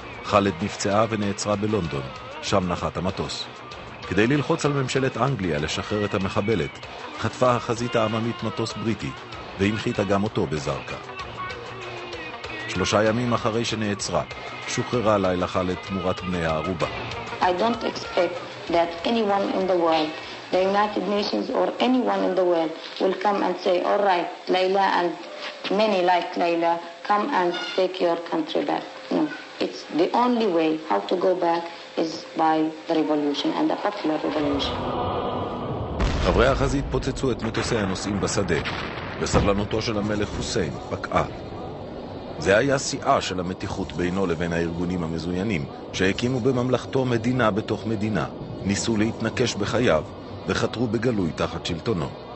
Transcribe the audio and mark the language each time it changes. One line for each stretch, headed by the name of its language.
Hebrew: חלד נפצעה ונעצרה בלונדון, שם נחת המטוס. כדי ללחוץ על ממשלת אנגליה לשחרר את המחבלת, חטפה החזית העממית מטוס בריטי, והנחיתה גם אותו בזרקה. שלושה ימים אחרי שנעצרה, שוחררה לילה חלד תמורת בני הערובה.
English: I don't expect that anyone in the world, the United Nations or anyone in the world, will come and say, all right, Layla and many like Layla, come and take your country back. No. It's the only way how to go back is by the revolution and the popular revolution.
Hebrew: חברי החזית פוצצו את מטוסי הנוסעים בשדה, וסבלנותו של המלך חוסיין פקעה. זה היה שיאה של המתיחות בינו לבין הארגונים המזוינים, שהקימו בממלכתו מדינה בתוך מדינה, ניסו להתנקש בחייו, וחתרו בגלוי תחת שלטונו.